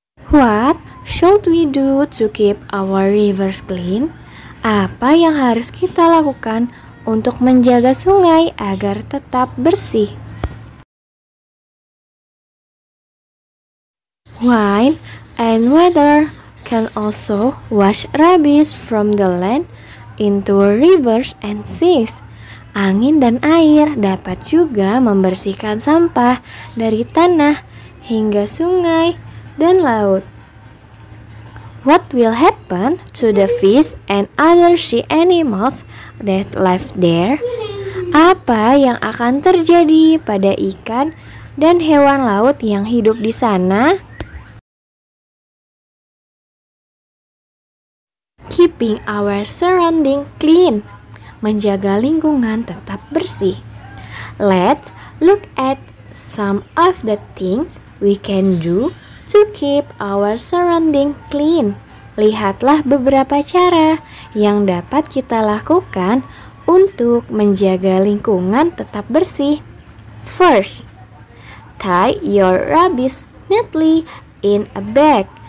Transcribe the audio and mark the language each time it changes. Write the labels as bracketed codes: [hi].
[en] What should we do to keep our rivers clean? [id] Apa yang harus kita lakukan untuk menjaga sungai agar tetap bersih? [en] Wind and weather can also wash rubbish from the land into rivers and seas. [id] Angin dan air dapat juga membersihkan sampah dari tanah hingga sungai dan laut. [en] What will happen to the fish and other sea animals that live there? [id] Apa yang akan terjadi pada ikan dan hewan laut yang hidup di sana? [en] Keeping our surrounding clean. [id] Menjaga lingkungan tetap bersih. [en] Let's look at some of the things we can do to keep our surrounding clean. [id] Lihatlah beberapa cara yang dapat kita lakukan untuk menjaga lingkungan tetap bersih. [en] First, tie your rubbish neatly in a bag.